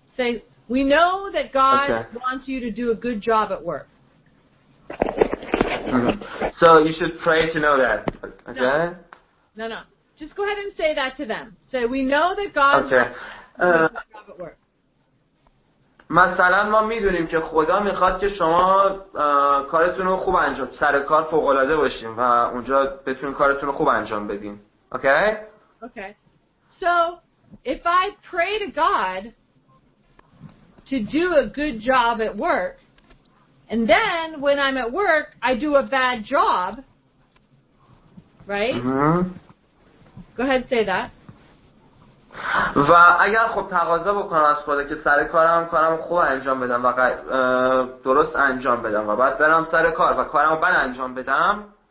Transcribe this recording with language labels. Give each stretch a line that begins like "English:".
English: Say, we know that God wants you to do a good job at work. So you should pray to know that. Okay? No. Just go ahead and say that to them. Say, we know that God wants you to do a good job at work.
Persian: مثلا ما میدونیم که خدا میخواد که شما کارتون رو خوب انجام، سر کار فوق‌العاده باشیم و اونجا بتونیم کارتون رو خوب انجام بدیم.
English: Okay? Okay. So, if I pray to God to do a good job at work, and then when I'm at work, I do a bad job, right? Mm-hmm. Go ahead, say that.
Persian: و اگر خب تقاضا بکنم از خدا که سر کارم خوب انجام بدم و درست انجام بدم و بعد برم سر کار و کارم بد انجام بدم.